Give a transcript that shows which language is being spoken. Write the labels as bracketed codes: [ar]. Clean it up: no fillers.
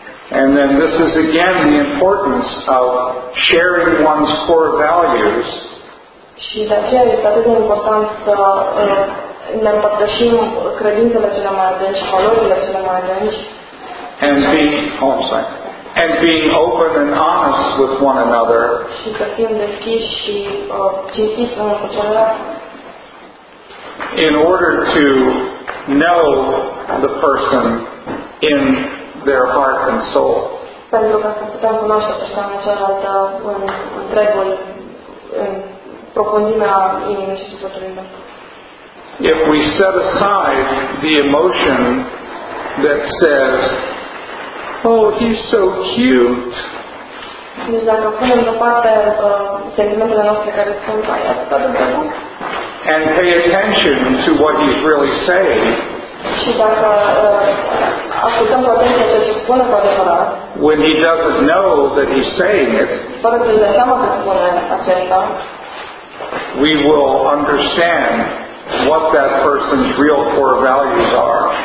[en] And then this is again the importance of sharing one's core values. [ro] Și de aceea este atât de important să ne împărtășim credințele cele mai adânci, valorile cele mai adânci. [en] And being, oh, sorry, and being open and honest with one another. [ro] Și să fim deschiși și cinstiți unul cu celălalt. [en] In order to know the person in their heart and soul. [ro] Pentru ca să putem cunoaște persoana cealaltă în întregul, în profundimea inimii și sufletului meu. [en] If we set aside the emotion that says, oh, he's so cute. [ro] Deci dacă punem deoparte sentimentele noastre care sunt ai atât de drăguț. [en] And pay attention to what he's really saying. [ro] Și dacă ascultăm cu atenție ceea ce spune cu adevărat. [en] When he doesn't know that he's saying it. [ro] Fără să-i dea seama că spune acesta. [en] We will understand what that person's real core values are.